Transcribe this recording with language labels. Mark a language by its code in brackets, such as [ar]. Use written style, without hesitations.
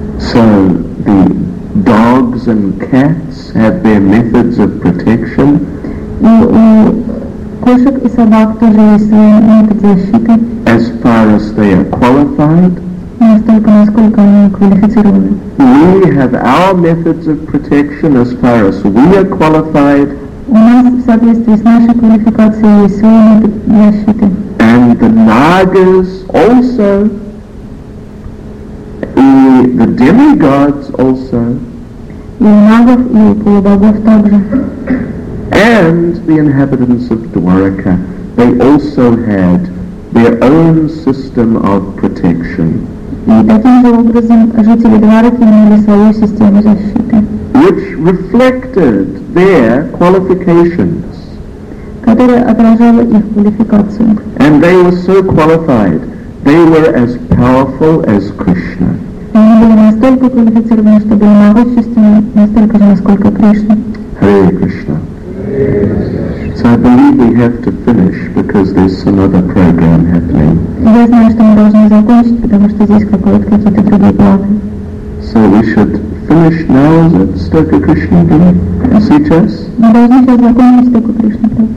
[en] So the dogs and cats have their methods of protection. [ru] Кошек и собак тоже есть свои методы защиты. [en] As far as they are qualified. [ru] Настолько, насколько они квалифицированы. [en] We have our methods of protection as far as we are qualified. [ru] У нас в соответствии с нашей квалификацией есть свои методы защиты. [en] And the nagas also. [ru] И [en] the demigods also. [ru] И нагов, и полубогов также. [en] And the inhabitants of Dwarka, they also had their own system of protection. Which reflected their qualifications. And they were so qualified, they were as powerful as Krishna. [ru] Они были настолько квалифицированы, что были могущественны, настолько же, насколько Кришна. [en] Hare Krishna. So I believe we have to finish because there's some other program happening. [ru] Я знаю, что мы должны закончить, потому что здесь какие-то другие планы. [en] So we should finish now that Stoka Krishna can teach us. [ru] Мы должны сейчас закончить Стока Кришна.